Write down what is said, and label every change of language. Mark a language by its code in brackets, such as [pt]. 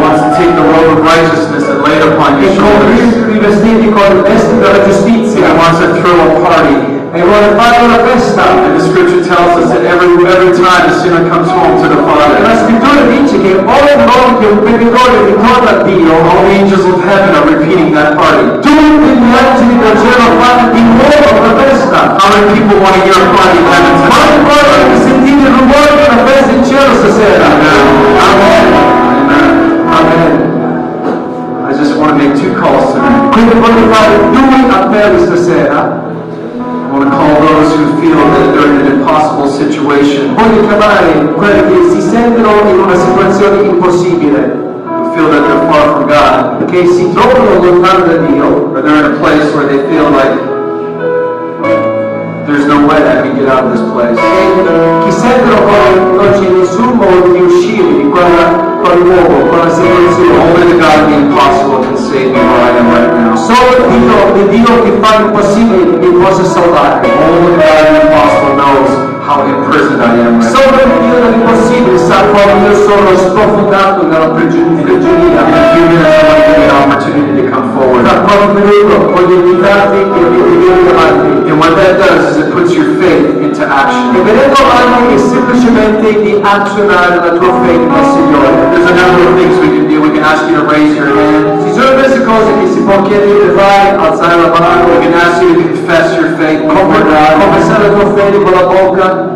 [en] He wants to take the robe of righteousness and lay it upon your shoulders. [it] E con rivestirti con il vestito della giustizia. [en] He wants to throw a party. [it] E vuole fare una festa. [en] And the scripture tells us that every time a sinner comes home to the Father. [it] La scrittura dice che ogni volta che un peccatore ritorna a Dio, [en] all the angels of heaven are repeating that party. [it] Tutti gli angeli del cielo fanno di nuovo una festa. [en] How many people want to hear a party in heaven tonight? [it] Quanti vogliono sentire il rumore di una festa in cielo stasera? [en] Amen. I just want to make two calls tonight. [it] Quindi voglio fare due appelli stasera. [en] I want to call those who feel that they're in an impossible situation. [it] Voglio chiamare quelli che si sentono in una situazione impossibile. [en] Feel that they're far from God. [it] Che si trovano lontano da Dio. [en] Or they're in a place where they feel like there's no way. way that I can get out of this place. [it] Chi sembra poi non c'è nessun modo di uscire di quella quel luogo, quella situazione. [en] Only the God of the impossible can save me where I am right now. [it] Solo il Dio che fa l'impossibile mi possa salvare. [en] Only the God of the impossible knows how imprisoned I am right now. [it] Solo il Dio dell'impossibile sa come io sono sprofondato nella prigionia. [en] Opportunity to come forward. And what that does is it puts your faith into action. There's a number of things we can do. We can ask you to raise your hand. We can ask you to confess your faith before God.